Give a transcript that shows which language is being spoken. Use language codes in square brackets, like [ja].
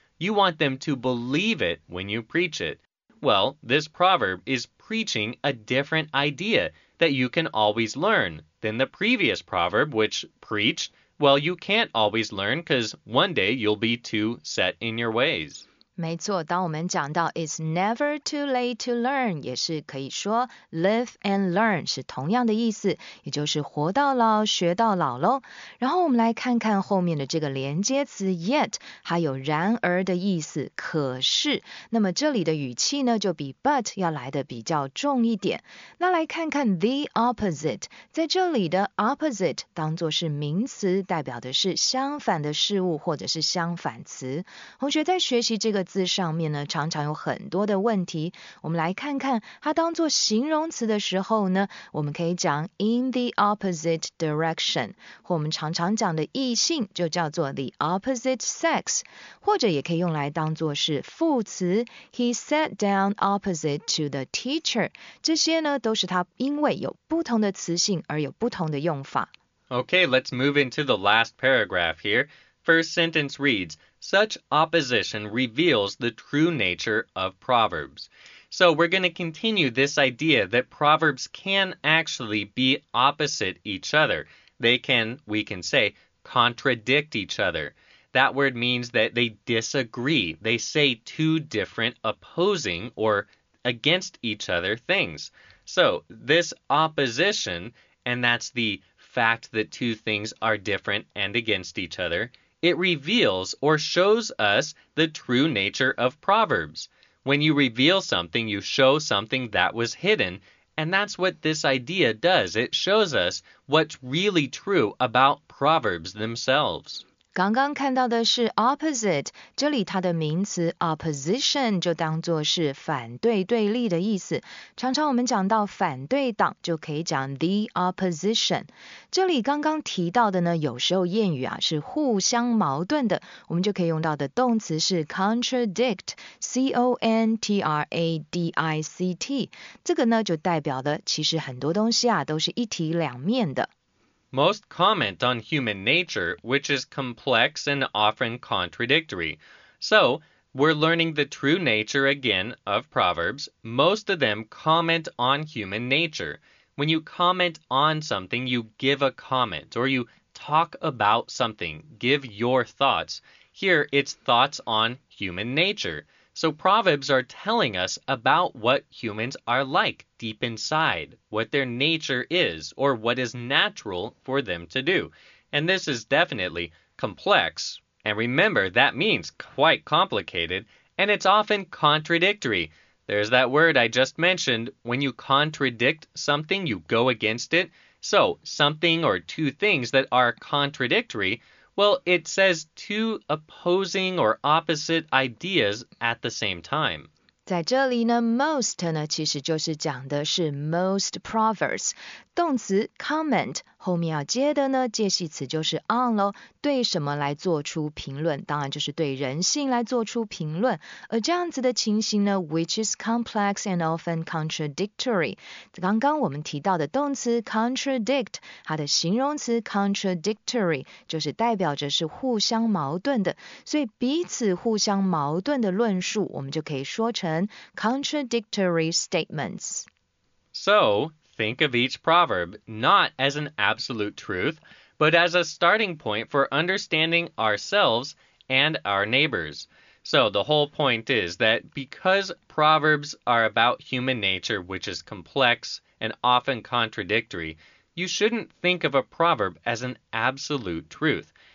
[en] You want them to believe it when you preach it. Well, this proverb is preaching a different idea that you can always learn than the previous proverb, which preached, well, you can't always learn because one day you'll be too set in your ways. [zh] 没错，当我们讲到 it's never too late to learn，也是可以说 live and learn 是同样的意思，也就是活到老学到老咯。然后我们来看看后面的这个连接词 yet， 还有然而的意思，可是。那么这里的语气呢，就比 but 要来的比较重一点。那来看看 the opposite， 在这里的 opposite 当作是名词，代表的是相反的事物或者是相反词。同学在学习这个字上面呢，常常有很多的问题。我们来看看它当作形容词的时候呢，我们可以讲 in the opposite direction，或我们常常讲的异性就叫做 the opposite sex，或者也可以用来当作是副词 he sat down opposite to the teacher。这些呢，都是它因为有不同的词性而有不同的用法。 [en] Okay, let's move into the last paragraph here. First sentence reads. Such opposition reveals the true nature of proverbs. So we're going to continue this idea that proverbs can actually be opposite each other. They can, we can say, contradict each other. That word means that they disagree. They say two different opposing or against each other things. So this opposition, and that's the fact that two things are different and against each other,It reveals or shows us the true nature of proverbs. When you reveal something, you show something that was hidden, and that's what this idea does. It shows us what's really true about proverbs themselves. [zh] 刚刚看到的是 opposite， 这里它的名词 opposition 就当作是反对对立的意思。常常我们讲到反对党就可以讲 the opposition。这里刚刚提到的呢，有时候谚语啊是互相矛盾的，我们就可以用到的动词是 contradict， C-O-N-T-R-A-D-I-C-T。这个呢就代表的其实很多东西啊都是一体两面的。 [en] Most comment on human nature, which is complex and often contradictory. So, we're learning the true nature again of proverbs. Most of them comment on human nature. When you comment on something, you give a comment, or you talk about something, give your thoughts. Here, it's thoughts on human nature. So proverbs are telling us about what humans are like deep inside, what their nature is, or what is natural for them to do. And this is definitely complex. And remember, that means quite complicated, and it's often contradictory. There's that word I just mentioned. When you contradict something, you go against it. So something or two things that are contradictory, well, it says two opposing or opposite ideas at the same time. [zh] 在这里呢 ,most 呢其实就是讲的是 most proverbs, 动词 comment, 后面要接的呢介系词就是 on 咯，对什么来做出评论，当然就是对人性来做出评论，而这样子的情形呢 which is complex and often contradictory, 刚刚我们提到的动词 contradict, 它的形容词 contradictory, 就是代表着是互相矛盾的，所以彼此互相矛盾的论述我们就可以说成 contradictory statements. [en] So,Think of each proverb not as an absolute truth, but as a starting point for understanding ourselves and our neighbors. So the whole point is that because proverbs are about human nature, which is complex and often contradictory, you shouldn't think of a proverb as an absolute truth.